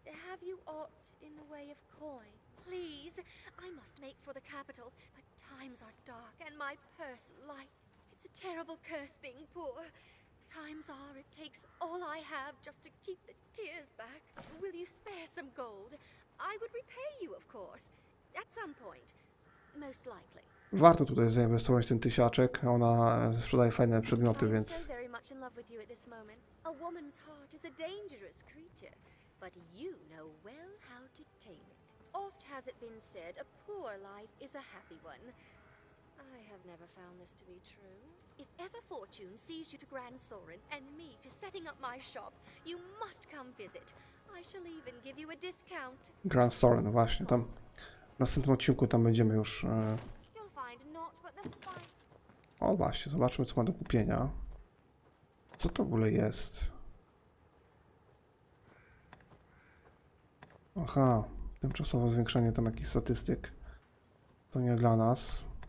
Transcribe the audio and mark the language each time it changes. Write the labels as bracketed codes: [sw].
[en] Have you aught in the way of coin? Please, I must make for the capital, but times are dark and my purse light. It's a terrible curse being poor. Times are, it takes all I have just to keep the tears back. Will you spare some gold? I would repay you, of course, at some point, most likely. [pl] Warto tutaj zainwestować ten tysiaczek. Ona sprzedaje fajne przedmioty, więc. [en] In love with you at this moment. A woman's heart is a dangerous creature, but you know well how to tame it. Oft has it been said, a poor life is a happy one. I have never found this to be true. If ever fortune sees you to Grand Sorin and me to setting up my shop, you must come visit. I shall even give you a discount. [pl] Grand Sorin, właśnie tam. W następnym odcinku tam będziemy już. [en] You'll find not what the fine... [pl] O właśnie, zobaczmy, co ma do kupienia. Co to w ogóle jest? Aha, tymczasowe zwiększenie tam jakichś statystyk. To nie dla nas.